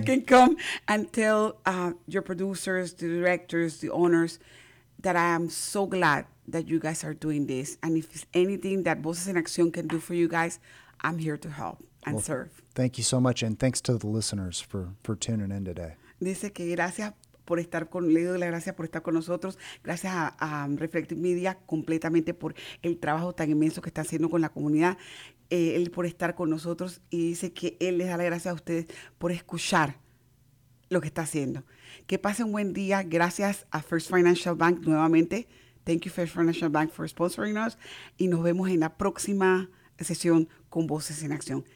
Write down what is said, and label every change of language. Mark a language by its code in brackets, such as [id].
[en] They can come and tell your producers, the directors, the owners, that I am so glad that you guys are doing this. And if there's anything that Voces en Acción can do for you guys, I'm here to help and serve. Thank you so much. And thanks to the listeners for tuning in today. [es] Dice que gracias. Por estar con, le doy las gracias por estar con nosotros. Gracias a Reflective Media completamente por el trabajo tan inmenso que está haciendo con la comunidad. Él por estar con nosotros y dice que él les da las gracias a ustedes por escuchar lo que está haciendo. Que pasen un buen día. Gracias a First Financial Bank nuevamente. [en] Thank you First Financial Bank for sponsoring us. [es] Y nos vemos en la próxima sesión con Voces en Acción.